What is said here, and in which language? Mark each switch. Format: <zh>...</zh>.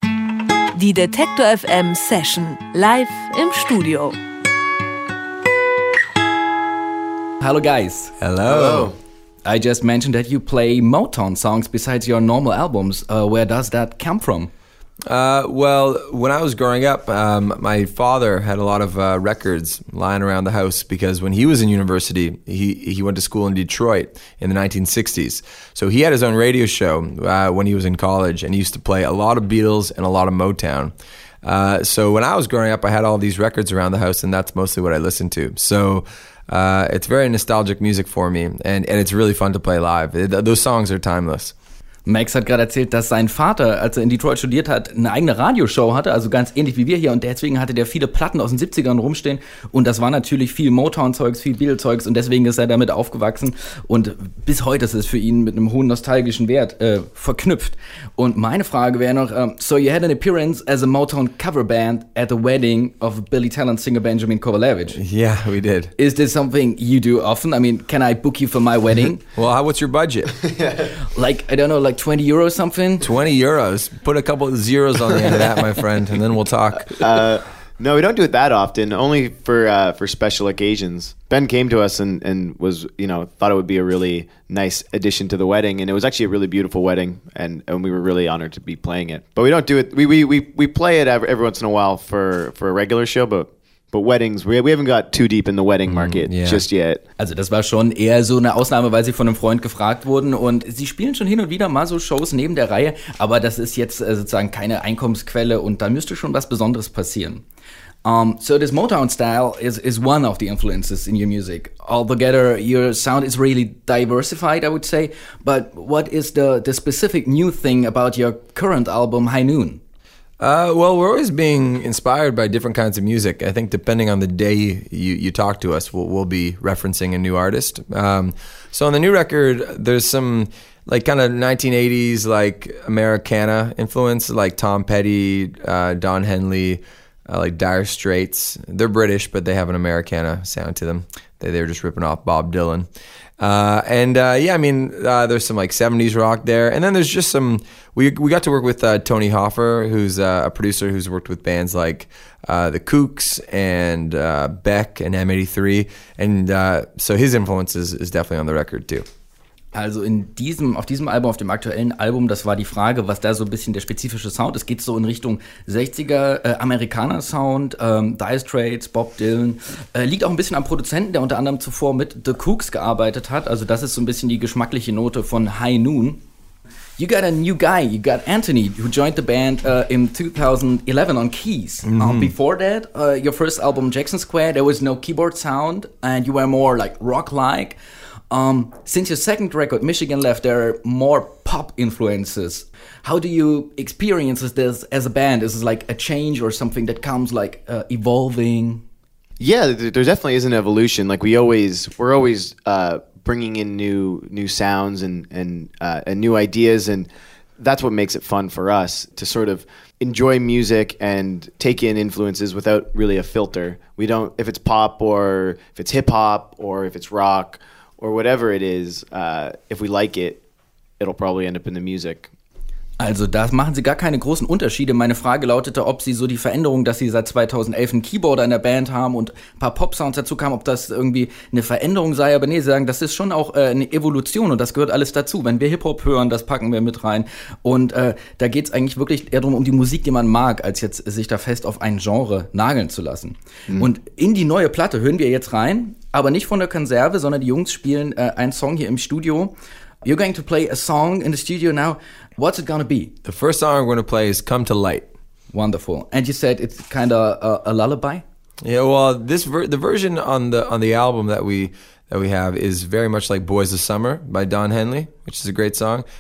<de>Die Detektor FM Session live im Studio.</de> <en>Hello guys. Hello. I just mentioned that you play Motown songs besides your normal albums. Where does that come from? Well, when I was growing up, my father had a lot of records lying around the house because when he was in university, he went to school in Detroit in the 1960s. So he had his own radio show when he was in college, and he used to play a lot of Beatles and a lot of Motown. So when I was growing up, I had all these records around the house, and that's mostly what I listened to. So it's very nostalgic music for me, and it's really fun to play live. Those songs are timeless.</en> <de>Max hat gerade erzählt, dass sein Vater, als er in Detroit studiert hat, eine eigene Radioshow hatte, also ganz ähnlich wie wir hier. Und deswegen hatte der viele Platten aus den 70ern rumstehen. Und das war natürlich viel Motown-Zeugs, viel Beatles-Zeugs. Und deswegen ist er damit aufgewachsen. Und bis heute ist es für ihn mit einem hohen nostalgischen Wert verknüpft. Und meine Frage wäre noch,</de> <en>so you had an appearance as a Motown cover band at the wedding of Billy Talent singer Benjamin Kovalevich. Yeah, we did. Is this something you do often? I mean, can I book you for my wedding? Well, what's your budget? Like, I don't know, like 20 euros something? 20 euros. Put a couple of zeros on the end of that, my friend, and then we'll talk. No, we don't do it that often, only for special occasions. Ben came to us and was, you know, thought it would be a really nice addition to the wedding, and it was actually a really beautiful wedding, and we were really honored to be playing it. But we don't do it. We play it every once in a while for a regular show, but weddings, we haven't got too deep in the wedding market just yet.</en> <de>Also das war schon eher so eine Ausnahme, weil sie von einem Freund gefragt wurden. Und sie spielen schon hin und wieder mal so Shows neben der Reihe, aber das ist jetzt sozusagen keine Einkommensquelle und da müsste schon was Besonderes passieren.</de> <en>So this Motown style is one of the influences in your music. Altogether, your sound is really diversified, I would say. But what is the specific new thing about your current album, High Noon? Well, we're always being inspired by different kinds of music. I think depending on the day you talk to us, we'll be referencing a new artist. So on the new record, there's some like kind of 1980s like Americana influence, like Tom Petty, Don Henley, like Dire Straits. They're British, but they have an Americana sound to them. They're just ripping off Bob Dylan. There's some like 70s rock there. And then there's just some, we got to work with Tony Hoffer, who's a producer who's worked with bands like The Kooks and Beck and M83. And so his influence is definitely on the record too.</en> <de>Also auf dem aktuellen Album, das war die Frage, was da so ein bisschen der spezifische Sound ist. Geht es so in Richtung 60er Amerikaner-Sound, Dire Straits, Bob Dylan. Liegt auch ein bisschen am Produzenten, der unter anderem zuvor mit The Kooks gearbeitet hat. Also das ist so ein bisschen die geschmackliche Note von High Noon.</de> <en>You got a new guy, you got Anthony, who joined the band in 2011 on keys. Mm-hmm. Before that, your first album, Jackson Square, there was no keyboard sound and you were more like rock-like. Since your second record, Michigan Left, there are more pop influences. How do you experience this as a band? Is this like a change or something that comes like evolving? Yeah, there definitely is an evolution. Like we're always bringing in new sounds and new ideas, and that's what makes it fun for us to sort of enjoy music and take in influences without really a filter. We don't, if it's pop or if it's hip hop or if it's rock. Or whatever it is, if we like it, it'll probably end up in the music.</en> <de>Also da machen sie gar keine großen Unterschiede. Meine Frage lautete, ob sie so die Veränderung, dass sie seit 2011 einen Keyboarder in der Band haben und ein paar Pop-Sounds dazu kamen, ob das irgendwie eine Veränderung sei. Aber nee, sie sagen, das ist schon auch eine Evolution und das gehört alles dazu. Wenn wir Hip-Hop hören, das packen wir mit rein. Und da geht es eigentlich wirklich eher darum, um die Musik, die man mag, als jetzt sich da fest auf ein Genre nageln zu lassen. Mhm. Und in die neue Platte hören wir jetzt rein, aber nicht von der Konserve, sondern die Jungs spielen einen Song hier im Studio.</de> <en>You're going to play a song in the studio now. What's it going to be? The first song I'm going to play is Come to Light. Wonderful. And you said it's kind of a lullaby? Yeah, well, the version on the album that we have is very much like Boys of Summer by Don Henley, which is a great song.</en>